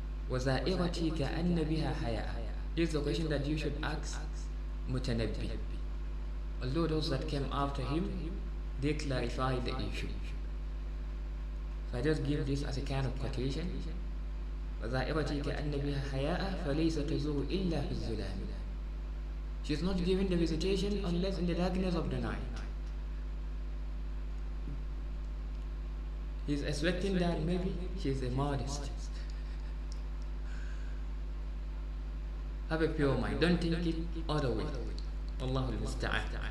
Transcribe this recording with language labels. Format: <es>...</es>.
<ar>وَزَائِرَتِكَ أَنَّ بِهَا حَيَاءً.</ar> <en>This is the question that you should ask Mutanabbi. Although those that came after him, they clarified the issue. So I just give this as a kind of quotation</en> <ar>ذائرتك أن بها حياء فليس تزور إلا في الظلام.</ar> <en>She is not given the visitation unless in the darkness of the night. He is expecting that maybe she is a modest. Have a pure mind. Don't think it other way.</en> <ar>Allahu al-musta'an.</ar>